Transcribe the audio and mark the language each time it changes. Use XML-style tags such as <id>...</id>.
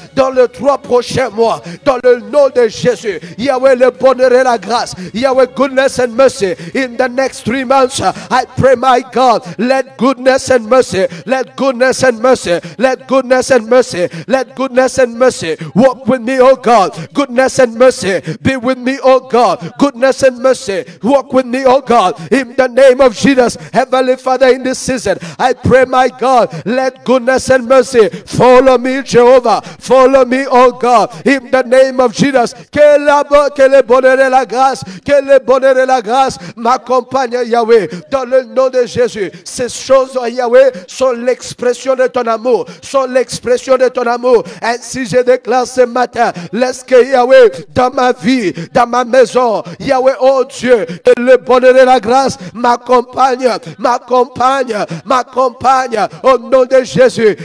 <fr>Dans les 3 prochains mois. Dans le nom de Jésus. Yahweh, le bonheur et la grâce. Yahweh, goodness.</fr> <en>goodness and mercy in the next 3 months. I pray, my God, let goodness and mercy, let goodness and mercy, let goodness and mercy, let goodness and mercy walk with me, oh God. Goodness and mercy be with me, oh God. Goodness and mercy walk with me, oh God, in the name of Jesus. Heavenly Father, in this season, I pray, my God, let goodness and mercy follow me, Jehovah. Follow me, oh God, in the name of Jesus.</en> <fr>Que le bonheur et la grâce, que le bonheur et la grâce m'accompagne, Yahweh, dans le nom de Jésus. Ces choses, Yahweh, sont l'expression de ton amour, sont l'expression de ton amour. Ainsi, je déclare ce matin, laisse que Yahweh, dans ma vie, dans ma maison, Yahweh, oh Dieu, que le bonheur et la grâce m'accompagne, m'accompagne, m'accompagne, au nom de Jésus.</fr>